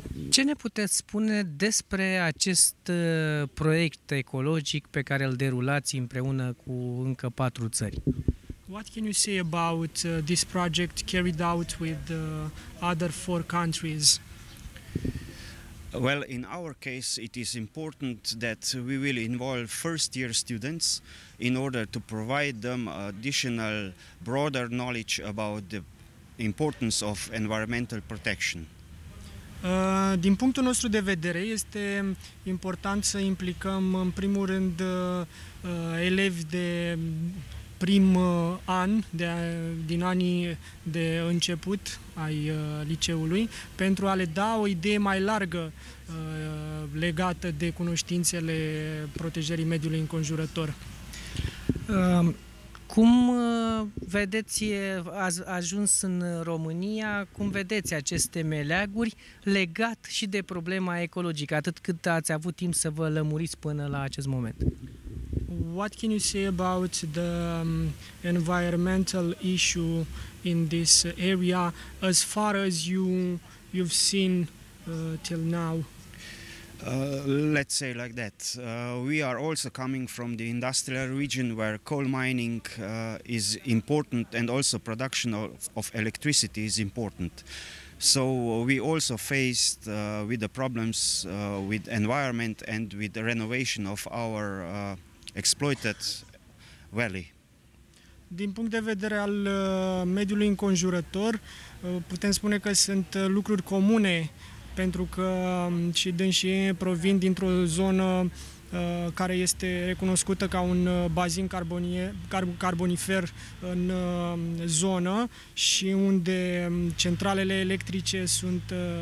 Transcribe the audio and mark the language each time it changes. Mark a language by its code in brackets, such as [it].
[ro] Ce ne puteți spune despre acest proiect ecologic pe care îl derulați împreună cu încă patru țări? [en] What can you say about this project carried out with other four countries? Well, in our case, it is important that we will involve first-year students in order to provide them additional broader knowledge about the importance of environmental protection. [ro] Din punctul nostru de vedere, este important să implicăm în primul rând elevi de prim an, din anii de început ai liceului, pentru a le da o idee mai largă legată de cunoștințele protejării mediului înconjurător. Cum vedeți, ați ajuns în România, cum vedeți aceste meleaguri legat și de problema ecologică, atât cât ați avut timp să vă lămuriți până la acest moment? [en] What can you say about the environmental issue in this area as far as you've seen till now? Let's say like that. We are also coming from the industrial region where coal mining is important and also production of electricity is important. So we also faced with the problems with environment and with the renovation of our exploited valley. [ro] Din punct de vedere al mediului înconjurător, putem spune că sunt lucruri comune, pentru că și dânșii provin dintr-o zonă care este recunoscută ca un bazin carbonifer în zonă și unde centralele electrice sunt